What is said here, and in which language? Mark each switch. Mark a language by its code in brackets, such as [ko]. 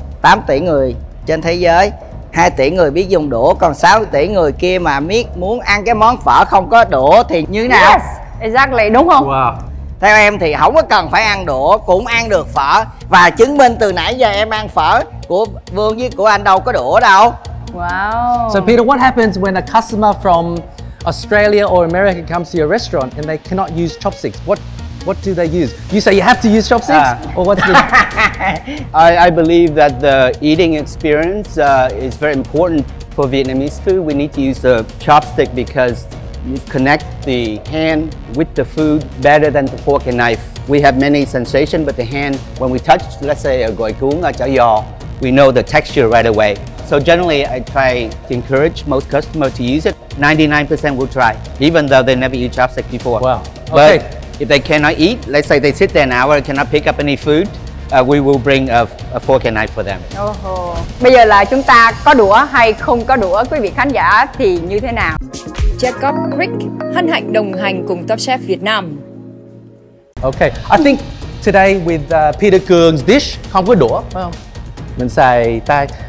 [vi] 8 tỷ người trên thế giới, 2 tỷ người biết dùng đũa, còn 6 tỷ người kia mà biết muốn ăn cái món phở không có đũa thì như thế nào? [en] Yes, exactly, [vi] đúng không? [en] Wow. [vi] Theo em thì không có cần phải ăn đũa cũng ăn được phở. Và chứng minh từ nãy giờ em ăn phở của Vương với của anh đâu có đũa đâu. [en] Wow. So Peter, what happens when a customer from Australia or America comes to your restaurant and they cannot use chopsticks? What do they use? You say you have to use chopsticks? Or what's the... I believe that the eating experience is very important for Vietnamese food. We need to use a chopstick because you connect the hand with the food better than the fork and knife. We have many sensations, but the hand, when we touch, let's say a gỏi cuốn, a cháo giò, we know the texture right away. So generally, I try to encourage most customers to use it. 99% will try, even though they never used chopstick before. Wow. But okay. If they cannot eat, let's say they sit there an hour and cannot pick up any food, we will bring a fork and knife for them. [vi] Bây giờ là chúng ta có đũa hay không có đũa, quý vị khán giả thì như thế nào? Jacob Crick, hân hạnh đồng hành cùng Top Chef Việt Nam. [en] Okay, I think today with Peter Cường's dish, [vi] không có đũa, phải không? Mình xài tay.